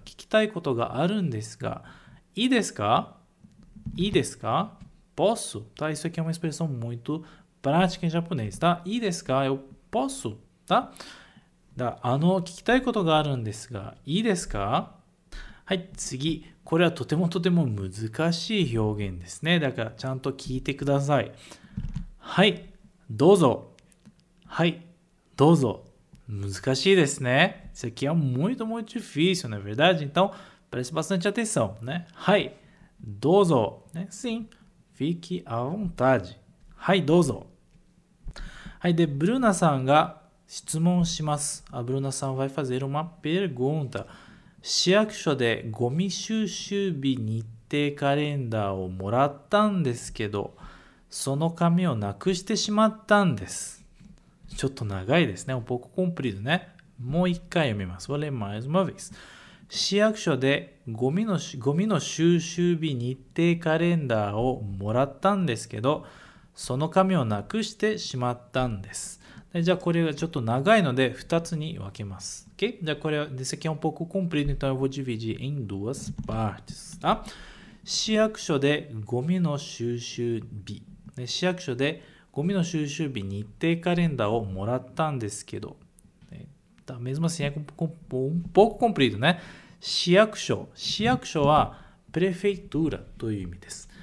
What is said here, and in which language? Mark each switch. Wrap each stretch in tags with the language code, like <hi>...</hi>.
<ja>聞きたいことがあるんですが、いいですか？いいですか？</ja> <pt>Posso? Tá? Isso aqui é uma expressão muito prática em japonês, tá?</pt> <ja>いいですか?</ja> <pt>Eu posso? Tá?</pt> <ja>だ、聞きたいことがあるんですが、いいですか？はい、次。これはとてもとても難しい表現ですね。だからちゃんと聞いてください。はい、どうぞ。はい、どうぞ。難しいですね。</ja> <pt>Isso aqui é muito, muito difícil, não é verdade? Então, preste bastante atenção, né?</pt> <ja>はい。どうぞ、ね、</ja> <pt>sim, fique à vontade.</pt> <ja>はい、どうぞ。はい、で、ブルナさんが質問します。</ja> <pt>A Bruna さん vai fazer uma pergunta.</pt> <ja>市役所でゴミ収集日日程カレンダーをもらったんですけど、その紙をなくしてしまったんです。ちょっと長いですね。</ja> <pt>Um pouco comprido, né?</pt> <ja>もう一回読みます。 Vou ler mais uma vez. 市役所でゴミの収集日日程カレンダーをもらったんですけど、その紙をなくしてしまったんです。じゃあこれがちょっと長いので2つに分けます。 OK? じゃあこれは、</ja> <pt>esse aqui é um pouco comprido, então eu vou dividir em duas partes, tá?</pt> <ja>市役所でゴミの収集日。市役所でゴミの収集日日程カレンダーをもらったんですけど。</ja> <pt>Tá? Mesmo assim, é um pouco comprido, né?</pt> <ja>市役所。市役所は、prefeitura という意味です。</ja>